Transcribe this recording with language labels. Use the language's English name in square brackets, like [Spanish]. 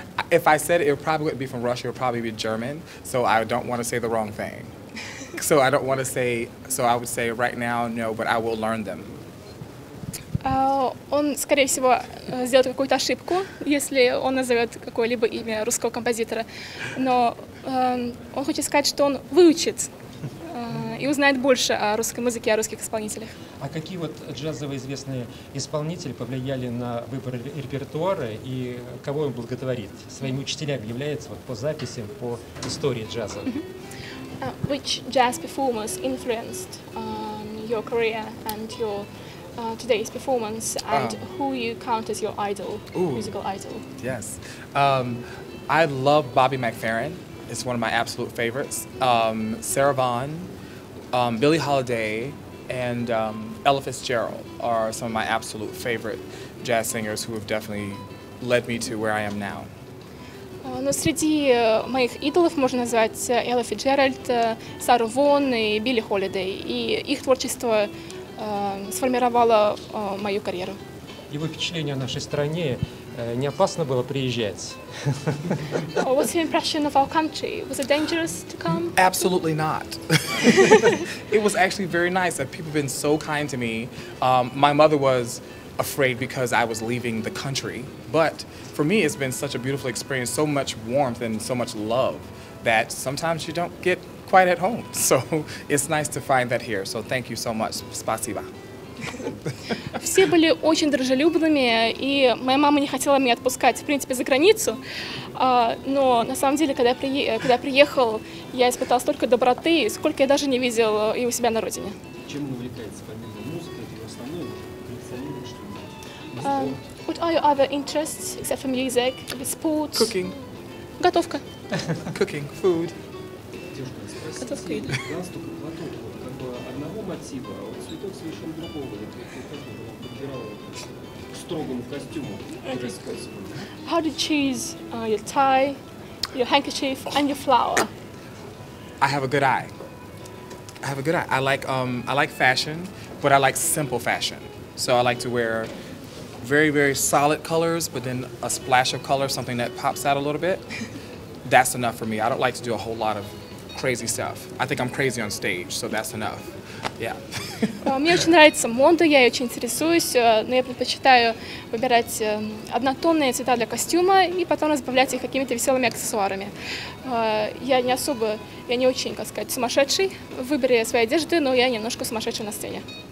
[English] If I said it, it probably wouldn't be from Russia, it would probably be German, so I don't want to say the wrong thing. So I don't want to say, so I would say right now, no, but I will learn them. [Russian] Он, скорее всего, сделает какую-то ошибку, если он назовет какое-либо имя русского композитора. Но он хочет сказать, что он выучит и узнает больше о русской музыке, о русских исполнителях. А какие вот джазовые известные исполнители повлияли на выбор репертуара и кого он благотворит? Своими учителями является вот по записям, по истории джаза. [English] Which jazz performers influenced your career and your today's performance, and who you count as your idol, ooh, musical idol? Yes. I love Bobby McFerrin. It's one of my absolute favorites. Sarah Vaughan, Billie Holiday, and Ella Fitzgerald are some of my absolute favorite jazz singers who have definitely led me to where I am now. [Russian] Ну, среди моих идолов можно назвать Элла Фицджеральд, Сару Вон и Билли Холидей. И их творчество сформировало мою карьеру. Его впечатление о нашей стране не опасно было приезжать? [English] What's your impression of our country? Was it dangerous to come? Absolutely not. It was actually very nice. People have been so kind to me. My mother was afraid because I was leaving the country. But for me, it's been such a beautiful experience, so much warmth and so much love that sometimes you don't get quite at home. So it's nice to find that here. So thank you so much. Спасибо. [Russian] Все были очень дружелюбными, и моя мама не хотела меня отпускать, в принципе, за границу. Но на самом деле, когда я приехал, я испытал столько доброты, сколько я даже не видел и у себя на родине. Чем он увлекается, помимо музыки, это его основное, коллекционирует что-нибудь? [English] What are your other interests, except for music, sports? Cooking. [Russian] Готовка. [English] Cooking, food. [Russian] Девушка, спросите, галстук и платок, вот, как бы одного мотива, а вот цветок совершенно другого, вот, как бы он подбирал к строгому костюму. [English] Okay. How do you choose your tie, your handkerchief, and your flower? I have a good eye. I have a good eye. I like fashion, but I like simple fashion. So I like to wear very, very solid colors, but then a splash of color, something that pops out a little bit, that's enough for me. I don't like to do a whole lot of crazy stuff. I think I'm crazy on stage, so that's enough. Yeah. [Russian] Мне очень нравится мода, я ее очень интересуюсь, но я предпочитаю выбирать однотонные цвета для костюма и потом разбавлять их какими-то веселыми аксессуарами. Я не очень, как сказать, сумасшедший в выборе своей одежды, но я немножко сумасшедший на сцене.